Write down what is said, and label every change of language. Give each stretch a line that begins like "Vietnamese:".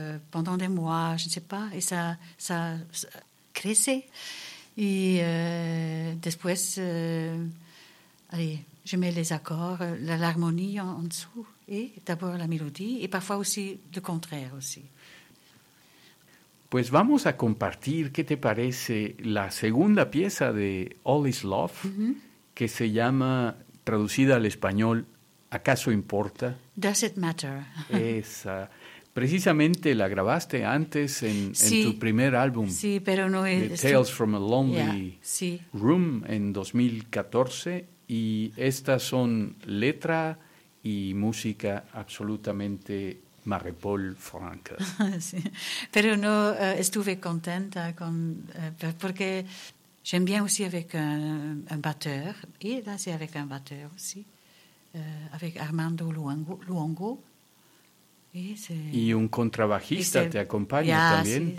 French: Pendant des mois, je ne sais pas, et ça crescait. Et après, je mets les accords, l'harmonie en dessous, et d'abord la mélodie, et parfois aussi le contraire aussi.
Spanish: Pues vamos a compartir, ¿qué te parece la segunda pieza de All is Love, que se llama, traducida al español, ¿Acaso importa?
English: Does it matter?
Spanish: Esa... Precisamente la grabaste antes en tu primer álbum. Sí, pero no es... Tales from a Lonely Room en 2014. Y estas son letra y música absolutamente Marie-Paul Franca. Sí, pero no estuve contenta con...
French: porque j'aime bien aussi avec un batteur. Y danser avec un batteur aussi. Avec Armando Luongo.
Spanish: Y un contrabajista te acompaña también,